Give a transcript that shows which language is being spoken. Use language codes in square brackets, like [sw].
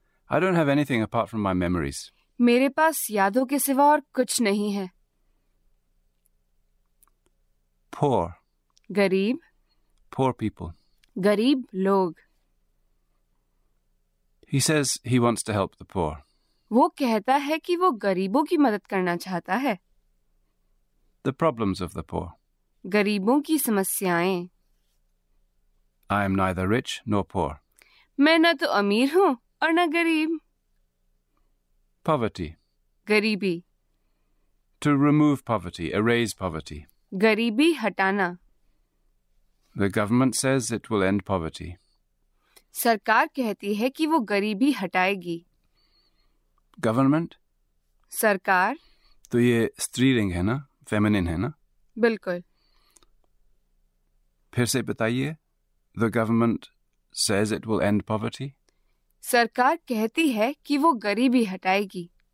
[en] I don't have anything apart from my memories. [hi] मेरे पास यादों के सिवा और कुछ नहीं है। [en] Poor. [hi] गरीब। [en] Poor people. [hi] गरीब लोग। [en] He says he wants to help the poor. [hi] वो कहता है कि वो गरीबों की मदद करना चाहता है। [en] The problems of the poor. [hi] गरीबों की समस्याएं। [en] I am neither rich nor poor. [hi] मैं न तो अमीर हूं और न गरीब। [en] Poverty. [hi] गरीबी। [en] To remove poverty, erase poverty. [hi] गरीबी हटाना। [en] The government says it will end poverty. [hi] सरकार कहती है कि वो गरीबी हटाएगी। [en] Government? [hi] सरकार। तो ये स्त्रीलिंग है ना, फेमिनिन है ना? बिल्कुल। फिर से बताइए। [en] The government says it will end poverty. [hi] सरकार कहती है कि वो गरीबी हटाएगी।